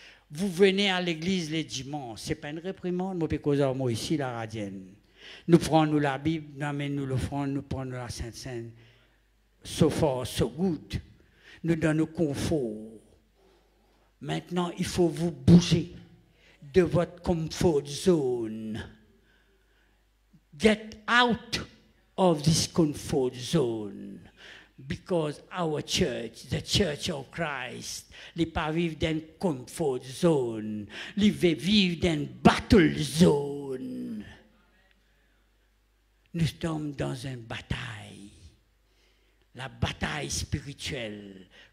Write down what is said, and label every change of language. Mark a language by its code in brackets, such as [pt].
[fr] Vous venez à l'Église les dimanches, ce n'est pas une réprimande, mais parce que moi ici la radienne. Nous prenons la Bible, nous amenons l'offrande, nous prenons la Sainte Cène. [en] So far, so good, [fr] nous donne confort. Maintenant, il faut vous bouger de votre comfort zone. [en] Get out of this comfort zone. Because our church, the church of Christ, [fr] n'est pas vivre dans une comfort zone. Il veut vivre dans une battle zone. Nous sommes dans une bataille, la bataille spirituelle.